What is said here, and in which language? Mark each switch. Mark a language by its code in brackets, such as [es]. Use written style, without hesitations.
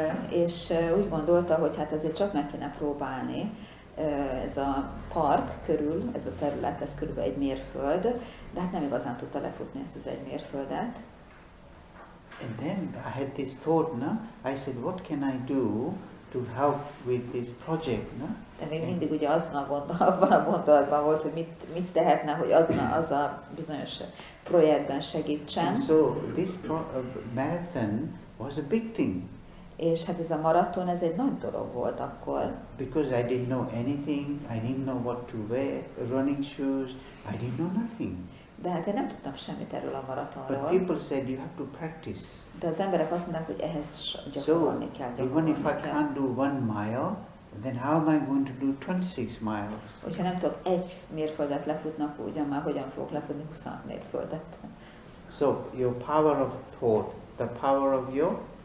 [hu] És úgy gondolta, hogy hát ezért csak meg kéne próbálni. Ez a park körül, ez a terület, ez körülbelül egy mérföld, de hát nem igazán tudta lefutni ezt az egy mérföldet. [en] And then I had this thought, no? I said, what can I do to help with this project, no? [hu] De még mindig ugye azon a gondolatban volt, hogy mit tehetne, hogy az a bizonyos projektben segítsen. [en] And so this marathon was a big thing. [hu] És hát ez a maraton, ez egy nagy dolog volt akkor. [en] Because I didn't know anything, I didn't know what to wear, running shoes, I didn't know nothing. [hu] De hát én nem tudtam semmit erről a maratonról. [en] But people said you have to practice. [hu] De az emberek azt mondták, hogy ehhez gyakorolni kell. [en] So, even if I can't do 1 mile, then how am I going to do 26 miles? [hu] Hogyha nem tudok egy mérföldet lefutni, akkor ugyan már hogyan fogok lefutni 26 mérföldet? [en] So, your power of thought, the power of your...